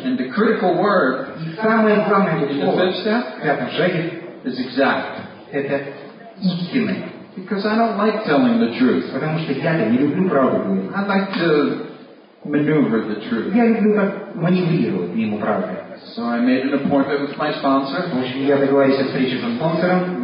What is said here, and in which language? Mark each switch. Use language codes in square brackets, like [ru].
[en] And the critical word, [ru] и самое главное слово, [en] in the fifth step, [ru] в пятом шаге, [en] is exact. [ru] Это истинное. [en] Because I don't like telling the truth. [ru] Потому что я не люблю правду говорить. [en] I like to maneuver the truth. [ru] Я люблю так маневрировать мимо правды. [en] So I made an appointment with my sponsor. [ru] В общем, я договорился о встрече со спонсором.